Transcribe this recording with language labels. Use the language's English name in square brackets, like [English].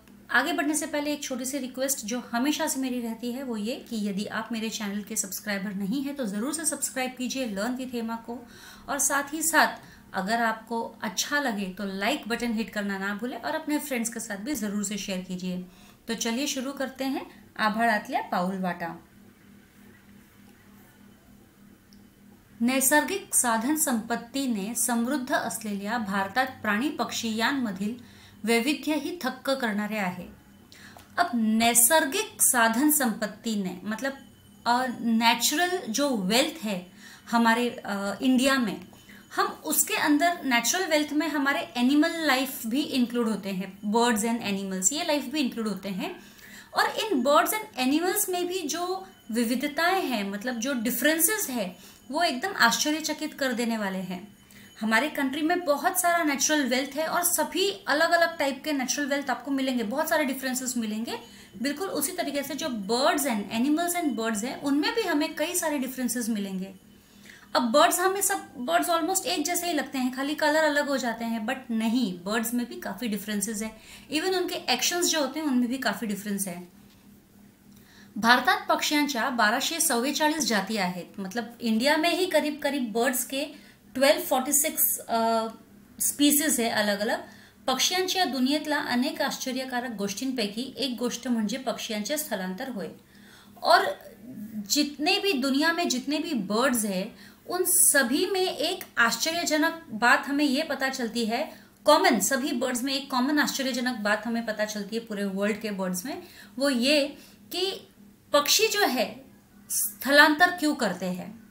[Hindi] आगे बढ़ने से पहले एक छोटी सी रिक्वेस्ट जो हमेशा से मेरी रहती है वो ये कि यदि आप मेरे चैनल के सब्सक्राइबर नहीं हैं तो ज़रूर से सब्सक्राइब कीजिए लर्न विथ हेमा को, और साथ ही साथ अगर आपको अच्छा लगे तो लाइक बटन हिट करना ना भूले और अपने फ्रेंड्स के साथ भी ज़रूर से शेयर कीजिए। तो चलिए शुरू करते हैं आभाळातल्या पाऊलवाटा। [Marathi] नैसर्गिक साधन संपत्ति ने समृद्ध असलेल्या भारतात प्राणी पक्षी यांमधील वैविध्य ही थक्क करणारे आहे। [Hindi] अब [Marathi] नैसर्गिक साधन संपत्ति ने [Hindi] मतलब नेचुरल जो वेल्थ है हमारे इंडिया में, हम उसके अंदर नेचुरल वेल्थ में हमारे एनिमल लाइफ भी इंक्लूड होते हैं, [English] birds and animals [Hindi] ये लाइफ भी इंक्लूड होते हैं। और इन [English] birds and animals [Hindi] में भी जो विविधताएं हैं, मतलब जो डिफरेंसेस है, वो एकदम आश्चर्यचकित कर देने वाले हैं। हमारे कंट्री में बहुत सारा नेचुरल वेल्थ है और सभी अलग अलग टाइप के नेचुरल वेल्थ आपको मिलेंगे, बहुत सारे डिफरेंसेस मिलेंगे। बिल्कुल उसी तरीके से जो [English] birds and animals and birds [Hindi] हैं उनमें भी हमें कई सारे डिफरेंसेस मिलेंगे। अब बर्ड्स हमें सब बर्ड्स ऑलमोस्ट एक जैसे ही लगते हैं, खाली कलर अलग हो जाते हैं, बट नहीं, बर्ड्स में भी काफ़ी डिफरेंसेज है। इवन उनके एक्शंस जो होते हैं उनमें भी काफ़ी डिफरेंस है। [Marathi] भारतात पक्ष्यांच्या 1244 जाती आहेत, [Hindi] मतलब इंडिया में ही करीब करीब बर्ड्स के 1246 स्पीसीज है अलग अलग। [Marathi] पक्ष्यांच्या दुनियेतला अनेक आश्चर्यकारक गोष्टींपैकी एक गोष्ट म्हणजे पक्ष्यांचे स्थलांतर होय। [Hindi] और जितने भी दुनिया में जितने भी बर्ड्स है उन सभी में एक आश्चर्यजनक बात हमें ये पता चलती है, कॉमन सभी बर्ड्स में एक कॉमन आश्चर्यजनक बात हमें पता चलती है पूरे वर्ल्ड के बर्ड्स में, वो ये कि पक्षी जो है स्थलांतर क्यों करते हैं।